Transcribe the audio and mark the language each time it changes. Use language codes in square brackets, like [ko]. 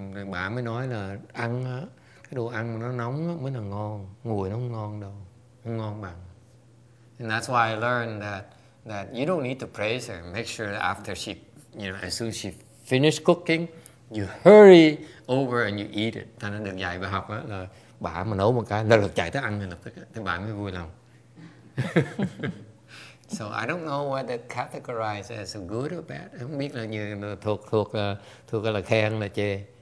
[vi] Bà mới nói là ăn cái đồ ăn mà nó nóng mới là ngon, nguội nó không ngon đâu, không ngon bằng. [en] And that's why I learned that you don't need to praise her. Make sure that after she, you know, as soon as she finished cooking, you hurry over and you eat it. [vi] Thành ra được dạy và học là bà mà nấu một cái, lập tức chạy tới ăn thì lập tức, thì bà mới vui lòng. [en] So I don't know whether categorize as a good or bad. [vi] Không biết là như thuộc là khen là chê.